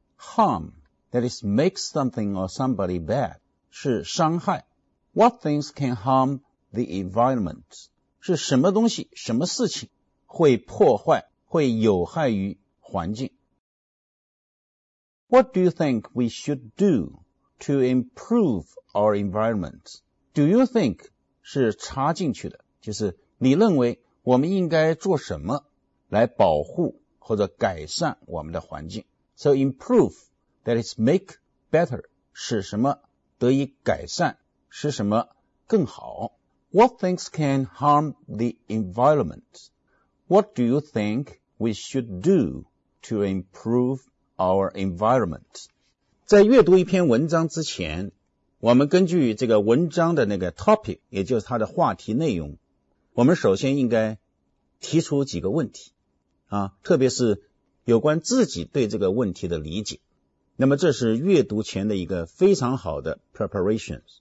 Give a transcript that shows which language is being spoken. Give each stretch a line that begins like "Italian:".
English: Harm, that is make something or somebody bad,
Chinese: 是伤害。
English: What things can harm the environment?
Chinese: 是什么东西，什么事情会破坏，会有害于环境。
English: What do you think we should do to improve our environment? Do you think
Chinese: 是插进去的，就是你认为我们应该做什么来保护或者改善我们的环境。
English: So improve, that is make better,
Chinese: 使什么得以改善，使什么更好。
English: What things can harm the environment? What do you think we should do to improve our environment?
Chinese: 在阅读一篇文章之前，我们根据这个文章的那个 topic， 也就是它的话题内容，我们首先应该提出几个问题啊，特别是有关自己对这个问题的理解。那么这是阅读前的一个非常好的 preparations。